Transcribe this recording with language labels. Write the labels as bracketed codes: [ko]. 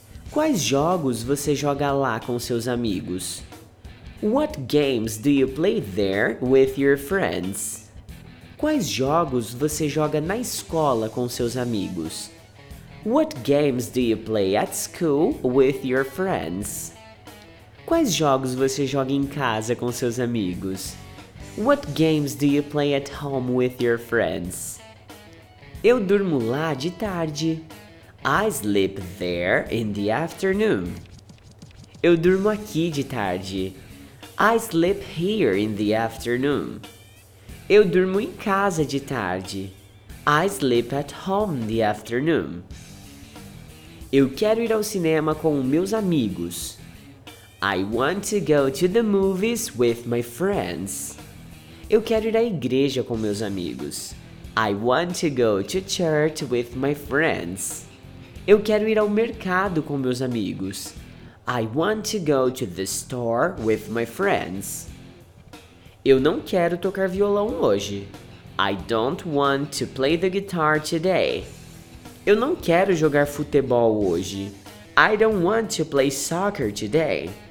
[pt] Quais jogos você joga lá com seus amigos? [en] What games do you play there with your friends? [pt] Quais jogos você joga na escola com seus amigos? [en] What games do you play at school with your friends? [pt] Quais jogos você joga em casa com seus amigos? [en] What games do you play at home with your friends? [pt] Eu durmo lá de tarde. [en] I sleep there in the afternoon. [pt] Eu durmo aqui de tarde. [en] I sleep here in the afternoon. [pt] Eu durmo em casa de tarde. [en] I sleep at home in the afternoon. [pt] Eu quero ir ao cinema com meus amigos. [en] I want to go to the movies with my friends. [pt] Eu quero ir à igreja com meus amigos. [en] I want to go to church with my friends. [pt] Eu quero ir ao mercado com meus amigos. [en] I want to go to the store with my friends. [pt] Eu não quero tocar violão hoje. [en] I don't want to play the guitar today. [pt] Eu não quero jogar futebol hoje. [en] I don't want to play soccer today.